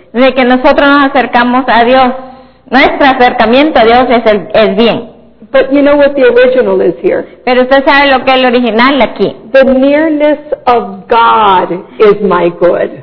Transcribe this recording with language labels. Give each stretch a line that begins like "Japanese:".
Spanish: De que nosotros nos acercamos a Dios, nuestro acercamiento a Dios es bien.
English: But you know what the original is here.
Spanish: Pero usted sabe lo que es el original aquí.
English: The nearness of God is my good.